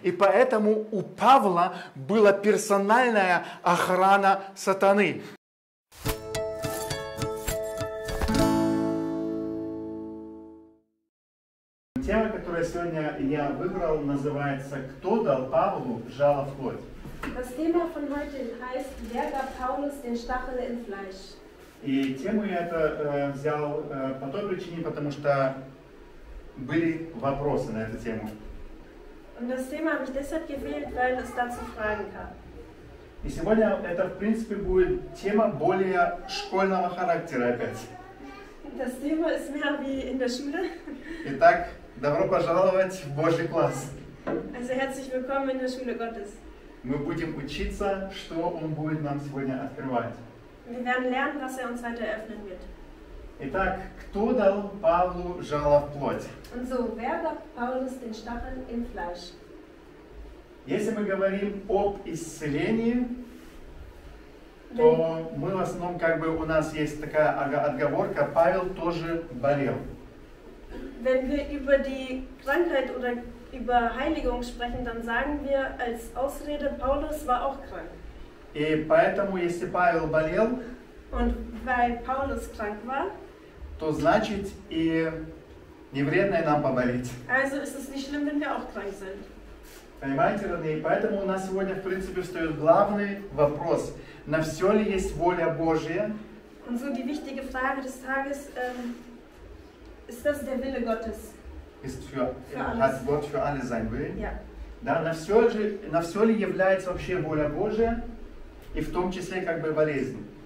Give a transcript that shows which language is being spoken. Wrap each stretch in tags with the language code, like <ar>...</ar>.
<ru>И поэтому у Павла была персональная охрана сатаны. Тема, которую сегодня я выбрал, называется «Кто дал Павлу жало в плоть?»</ru> <de>Das Thema von heute heißt, wer gab Paulus den Stachel im Fleisch?</de> <ru>И тему я это взял по той причине, потому что были вопросы на эту тему.</ru> <de>Und das Thema habe ich deshalb gewählt, weil es dazu Fragen gab.</de> <ru>И сегодня это, в принципе, будет тема более школьного характера опять.</ru> <de>Das Thema ist mehr wie in der Schule.</de> <ru>Итак, добро пожаловать в Божий класс.</ru> <de>Also herzlich willkommen in der Schule Gottes.</de> <ru>Мы будем учиться, что Он будет нам сегодня открывать.</ru> <de>Wir werden lernen, was uns heute öffnen wird.</de> <ru>Итак, кто дал Павлу жало в плоть?</ru> <de>Und so, wer gab Paulus den Stachel im Fleisch?</de> <ru>Если мы говорим об исцелении, то мы в основном, как бы, у нас есть такая отговорка, Павел тоже болел.</ru> <de>Wenn wir über die Krankheit oder über Heiligung sprechen, dann sagen wir als Ausrede, Paulus war auch krank.</de> <ru>И поэтому, если Павел болел,</ru> <de>und weil Paulus krank war,</de> <ru>то значит и не вредно нам поболеть.</ru> <de>Also ist es nicht schlimm, wenn wir auch krank sind.</de> <ru>Понимаете, родные? Поэтому у нас сегодня, в принципе, встает главный вопрос. На все ли есть воля Божия?</ru> <de>Und so die wichtige Frage des Tages, ist das der Wille Gottes? Hat Gott für alle sein Willen? Ja.</de> <ru>Да, на все ли является вообще воля Божия, и в том числе как бы болезнь?</ru>